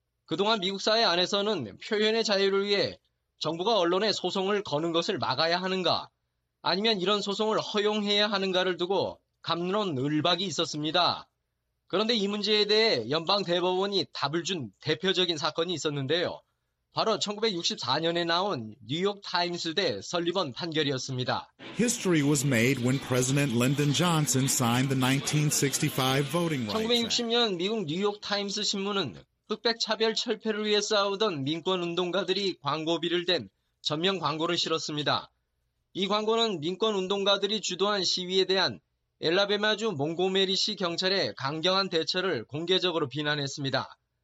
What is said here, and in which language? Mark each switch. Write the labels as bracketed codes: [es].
[ko] 그동안 미국 사회 안에서는 표현의 자유를 위해 정부가 언론에 소송을 거는 것을 막아야 하는가 아니면 이런 소송을 허용해야 하는가를 두고 갑론 을박이 있었습니다. 그런데 이 문제에 대해 연방대법원이 답을 준 대표적인 사건이 있었는데요. 바로 1964년에 나온 뉴욕 타임스 대 설리번 판결이었습니다. [en] History was made when President Lyndon Johnson signed the 1965 Voting Rights. [ko] 1960년 미국 뉴욕 타임스 신문은 흑백 차별 철폐를 위해 싸우던 민권 운동가들이 광고비를 댄 전면 광고를 실었습니다. 이 광고는 민권 운동가들이 주도한 시위에 대한 엘라베마주 몽고메리시 경찰의 강경한 대처를 공개적으로 비난했습니다.